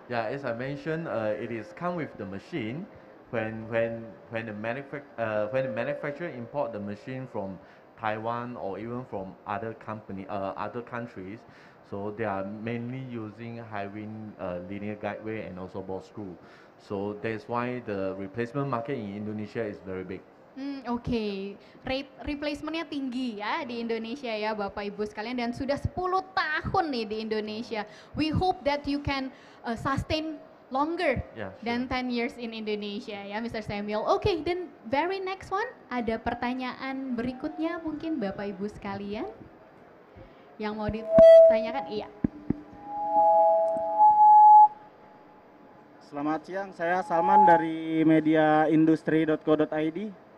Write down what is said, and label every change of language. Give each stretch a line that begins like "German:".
English: Yeah, as I mentioned, it is come with the machine. When the manufacturer import the machine from Taiwan or even from other company, other countries, so they are mainly using HIWIN linear guideway and also ball screw. So that's why the replacement market in Indonesia is very big.
Indonesian: Okay, replacement-nya tinggi ya di Indonesia ya Bapak Ibu sekalian, dan sudah 10 tahun nih di Indonesia.
English: We hope that you can sustain longer than 10 years in Indonesia ya Mr. Samuel.
Indonesian: Okay,
English: then very next one,
Indonesian: ada pertanyaan berikutnya mungkin Bapak Ibu sekalian yang mau ditanyakan. Iya. Selamat siang, saya Salman dari mediaindustri.co.id.